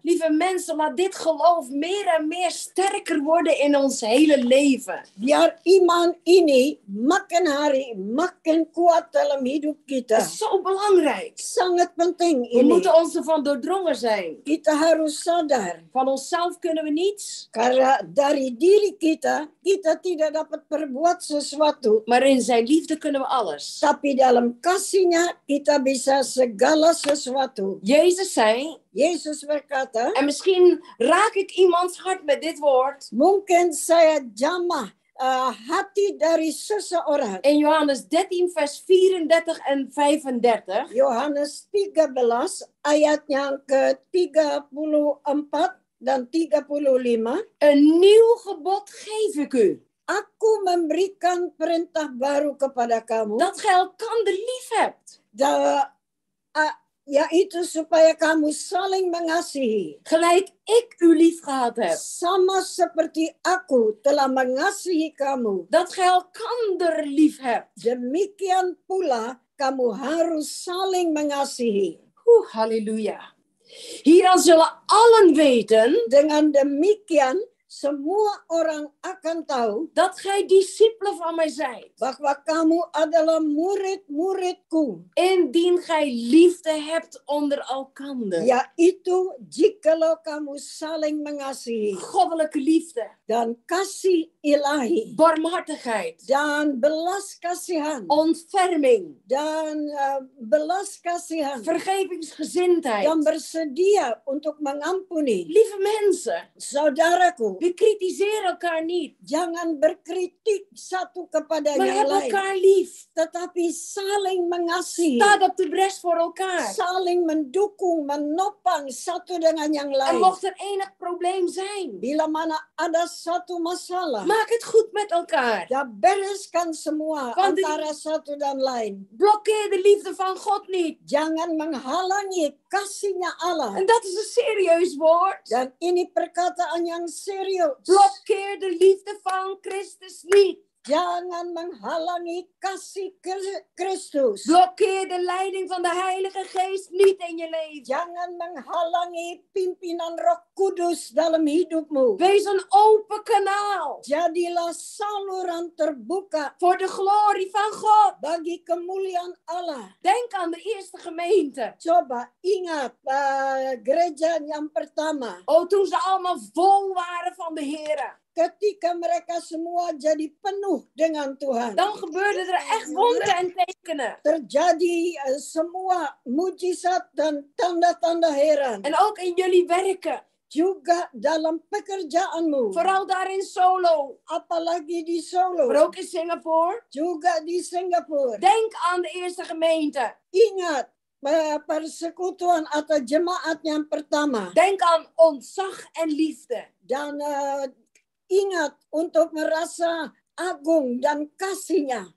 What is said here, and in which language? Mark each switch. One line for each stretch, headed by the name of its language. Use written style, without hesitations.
Dutch: Lieve mensen, laat dit geloof meer en meer sterker worden in ons hele leven.
Indonesian: Biar iman ini makin hari makin kuat dalam hidup kita.
Dutch: Is zo belangrijk.
Indonesian: Sangat penting ini.
Dutch: We moeten ons ervan doordrongen zijn.
Indonesian: Kita harus sadar.
Dutch: Van onszelf kunnen we niets.
Indonesian: Karena dari diri kita, kita tidak dapat perbuat sesuatu.
Dutch: Maar in zijn liefde kunnen we alles.
Indonesian: Tapi dalam kasihnya kita bisa segala sesuatu.
Dutch: Jezus zei.
Indonesian: Jezus berkata.
Dutch: En misschien raak ik iemands hart met dit woord.
Indonesian: Mungkin saya jamah hati dari seseorang.
Dutch: In Johannes 13 vers 34 en 35.
Indonesian: Johannes 13 ayat yang ke-34 dan 35.
Dutch: Een nieuw gebod geef ik u.
Indonesian: Aku memberikan perintah baru kepada kamu.
Dutch: Dat gij elkander lief hebt.
Indonesian: Yaitu supaya kamu saling mengasihi.
Dutch: Gelijk ik u lief gehad heb.
Indonesian: Sama seperti aku telah mengasihi kamu.
Dutch: Dat gij elkander lief hebt.
Indonesian: Demikian pula kamu harus saling mengasihi.
Dutch: Halleluja. Hieraan zullen allen weten.
Indonesian: Dengan demikian semua orang akan tahu
Dutch: dat gij discipelen van mij zijt.
Indonesian: Bahwa kamu adalah murid-muridku.
Dutch: Indien gij liefde hebt onder elkander.
Indonesian: Yaitu jikalau kamu saling mengasihi.
Dutch: Goddelijke liefde.
Indonesian: Dan kasih ilahi.
Dutch: Barmhartigheid.
Indonesian: Dan belas kasihan.
Dutch: Ontferming.
Indonesian: Dan belas kasihan.
Dutch: Vergevingsgezindheid.
Indonesian: Dan bersedia untuk mengampuni.
Dutch: Lieve mensen.
Indonesian: Saudaraku.
Dutch: We kritiseren elkaar niet.
Indonesian: Jangan berkritiek satu kepada
Dutch: maar
Indonesian: yang lain.
Dutch: Maar heb elkaar lief.
Indonesian: Tetapi saling mengasihi.
Dutch: Staat op de bres voor elkaar.
Indonesian: Saling mendukung, menopang satu dengan yang lain.
Dutch: En mocht er enig probleem zijn.
Indonesian: Bila mana ada satu masalah.
Dutch: Maak het goed met elkaar. Ja,
Indonesian: bereskan semua van antara satu dan lain.
Dutch: Blokkeer de liefde van God niet.
Indonesian: Jangan menghalangi kasihnya Allah.
Dutch: En dat is een serieus woord.
Indonesian: Dan ini perkataan yang serieus.
Dutch: Blokkeer de liefde van Christus niet.
Indonesian: Jangan menghalangi kasih Kristus.
Dutch: Blokkeer de leiding van de Heilige Geest niet in je leven.
Indonesian: Jangan menghalangi pimpinan Roh Kudus dalam hidupmu.
Dutch: Wees een open kanaal.
Indonesian: Jadilah saluran terbuka.
Dutch: Voor de glorie van God.
Indonesian: Bagi kemuliaan Allah.
Dutch: Denk aan de eerste gemeente.
Indonesian: Coba ingat gereja yang pertama.
Dutch: Oh, toen ze allemaal vol waren van de Here.
Indonesian: Ketika mereka semua jadi penuh dengan Tuhan.
Dutch: Dan gebeurde er echt wonderen en tekenen.
Indonesian: Terjadi semua mujizat dan tanda-tanda heran.
Dutch: En ook in jullie werken.
Indonesian: Juga dalam pekerjaanmu.
Dutch: Vooral daar in Solo.
Indonesian: Apalagi di Solo.
Dutch: Maar ook in Singapore.
Indonesian: Juga di Singapore.
Dutch: Denk aan de eerste gemeente.
Indonesian: Ingat. Persekutuan atau jemaat yang pertama.
Dutch: Denk aan ontzag en liefde.
Indonesian: Dan ingat untuk merasa agung dan kasihnya.